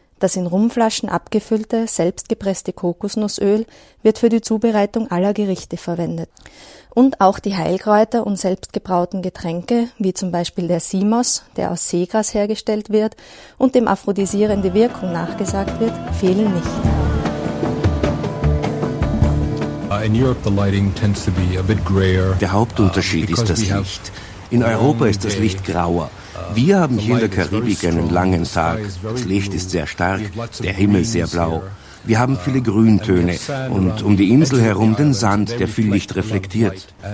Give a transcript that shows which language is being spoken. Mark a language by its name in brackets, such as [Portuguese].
[German] Das in Rumflaschen abgefüllte, selbstgepresste Kokosnussöl wird für die Zubereitung aller Gerichte verwendet. Und auch die Heilkräuter und selbstgebrauten Getränke, wie zum Beispiel der Simos, der aus Seegras hergestellt wird und dem aphrodisierende Wirkung nachgesagt wird, fehlen nicht. [English] In Europe the lighting tends to be a bit grayer. [German] Der Hauptunterschied ist das Licht. In Europa ist das Licht grauer. Wir haben hier in der Karibik einen langen Tag. Das Licht ist sehr stark, der Himmel sehr blau. Wir haben viele Grüntöne und um die Insel herum den Sand, der viel Licht reflektiert.